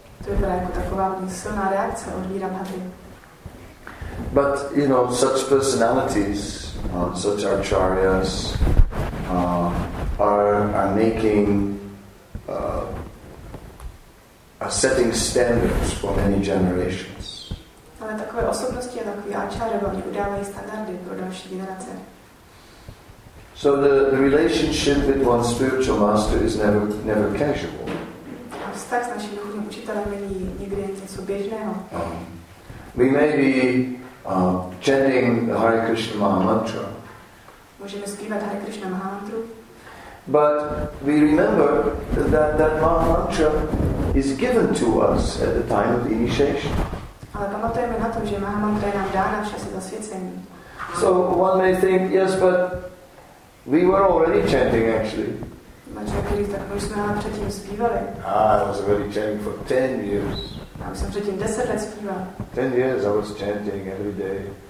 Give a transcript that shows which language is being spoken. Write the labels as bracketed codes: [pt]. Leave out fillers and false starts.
[cs] To byla jako taková silná reakce od Virabhadry. [en] But you know, such personalities, such acharyas, are making are setting standards for many generations. [cs] Ale takové osobnosti a takové áčáry udávají standardy pro další generace. [en] So the relationship with one's spiritual master is never casual. [cs] A vztah s naším duchovním učitelem není nikdy něco běžného. [en] We may be chanting the Hare Krishna Maha Mantra. [cs] Můžeme zpívat Hare Krishna Maha Mantru. [en] But we remember that Maha Mantra is given to us at the time of initiation. [cs] Ale pamatujeme na to, že Maha Mantra je nám dána v čase zasvěcení. [en] So one may think, yes, but we were already chanting, actually. I was already chanting for 10 years. I was chanting every day.